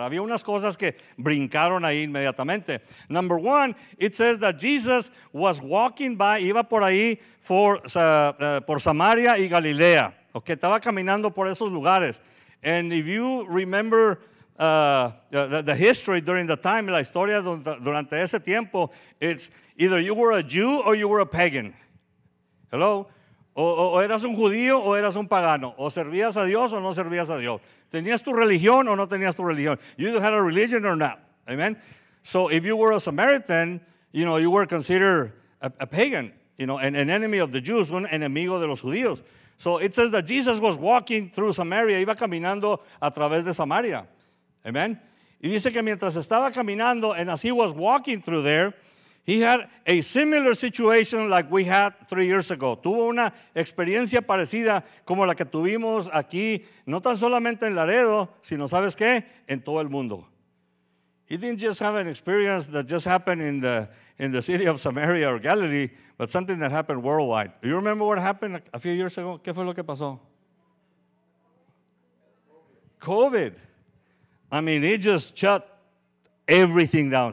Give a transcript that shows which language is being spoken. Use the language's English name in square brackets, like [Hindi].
[Spanish] Había unas cosas que brincaron ahí inmediatamente. [English] Number one, it says that Jesus was walking by, [Spanish] iba por ahí, por Samaria y Galilea. Okay, estaba caminando por esos lugares. [English] And if you remember the history during the time, [Spanish] la historia durante ese tiempo, [English] it's either you were a Jew or you were a pagan. [Spanish] Hello? O eras un judío o eras un pagano. O servías a Dios o no servías a Dios. Tenías tu religión o no tenías tu religión. [English] You either had a religion or not. Amen? So if you were a Samaritan, you know, you were considered a pagan, you know, an enemy of the Jews, [Spanish] un enemigo de los judíos. [English] So it says that Jesus was walking through Samaria, [Spanish] iba caminando a través de Samaria. [English] Amen? [Spanish] Y dice que mientras estaba caminando, [English] and as he was walking through there, he had a similar situation like we had 3 years ago. [Spanish] Tuvo una experiencia parecida como la que tuvimos aquí, no tan solamente en Laredo, sino, ¿sabes qué? En todo el mundo. [English] He didn't just have an experience that just happened in the city of Samaria or Galilee, but something that happened worldwide. Do you remember what happened a few years ago? [Spanish] ¿Qué fue lo que pasó? [English] COVID. I mean, it just shut everything down.